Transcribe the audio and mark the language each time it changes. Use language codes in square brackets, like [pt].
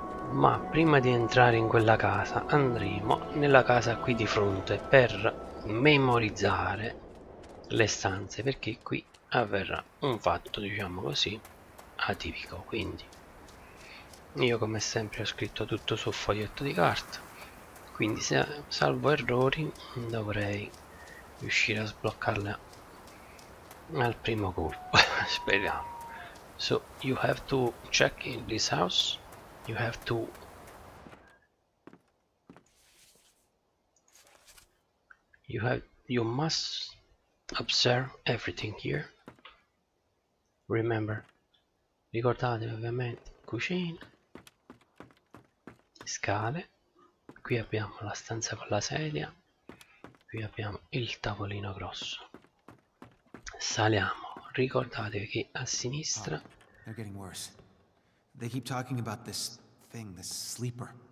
[it] Ma prima di entrare in quella casa, andremo nella casa qui di fronte per memorizzare le stanze, perché qui avverrà un fatto, diciamo così, atipico. Quindi io, come sempre, ho scritto tutto sul foglietto di carta, quindi se salvo errori dovrei riuscire a sbloccarla al primo colpo. Speriamo. [en] So you have to check in this house. You have to you must observe everything here. Remember, [it] ricordate ovviamente, cucina, scale, qui abbiamo la stanza con la sedia, qui abbiamo il tavolino grosso. Saliamo, ricordate che a sinistra [en] They're getting worse. They keep talking about this thing, this sleeper.